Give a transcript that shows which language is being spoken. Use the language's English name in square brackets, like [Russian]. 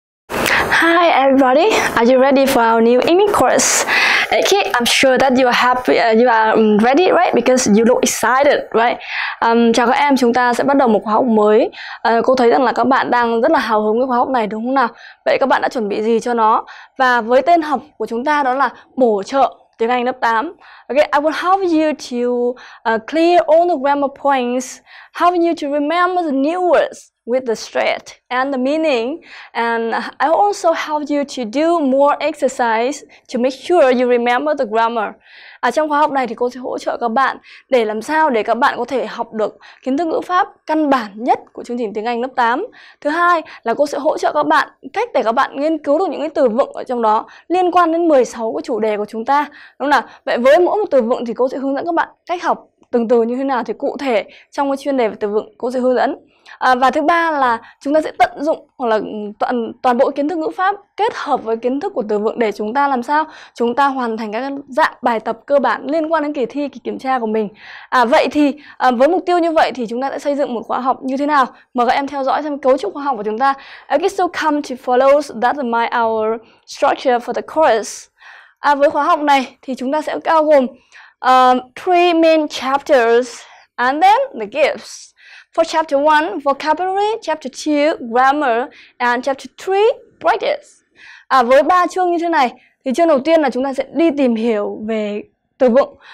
[English] Hi everybody, are you ready for our new English course? Okay, I'm sure that you are happy, you are ready, right? Because you look excited, right? [Vietnamese] Chào các em, chúng ta sẽ bắt đầu một khóa học mới. Cô thấy rằng là các bạn đang rất là hào hứng với khóa học này, đúng không nào? Vậy các bạn đã chuẩn bị gì cho nó? Và với tên học của chúng ta đó là bổ trợ tiếng Anh lớp 8. [English] Okay, I will help you to clear all the grammar points, help you to remember the new words with the stress and the meaning, and I also help you to do more exercise to make sure you remember the grammar. [Vietnamese] Trong khóa học này thì cô sẽ hỗ trợ các bạn để làm sao để các bạn có thể học được kiến thức ngữ pháp căn bản nhất của chương trình tiếng Anh lớp 8. Thứ hai là cô sẽ hỗ trợ các bạn cách để các bạn nghiên cứu được những cái từ vựng ở trong đó liên quan đến 16 cái chủ đề của chúng ta. Đúng là vậy, với mỗi một từ vựng thì cô sẽ hướng dẫn các bạn cách học từng từ như thế nào, thì cụ thể trong cái chuyên đề về từ vựng cô sẽ hướng dẫn. Và thứ ba là chúng ta sẽ tận dụng hoặc là toàn bộ kiến thức ngữ pháp kết hợp với kiến thức của từ vựng để chúng ta làm sao chúng ta hoàn thành các dạng bài tập cơ bản liên quan đến kỳ thi, kỳ kiểm tra của mình. Vậy thì với mục tiêu như vậy thì chúng ta sẽ xây dựng một khóa học như thế nào? Mời các em theo dõi xem cấu trúc khóa học của chúng ta. [English] Okay, so come to follow that my our structure for the course. [Vietnamese] Với khóa học này thì chúng ta sẽ bao gồm [English] three main chapters and then the gifts. For chapter 1, vocabulary, chapter 2, grammar, and chapter 3, practice. [Vietnamese] Với 3 chương như thế này, thì chương đầu tiên là chúng ta sẽ đi tìm hiểu về từ vựng.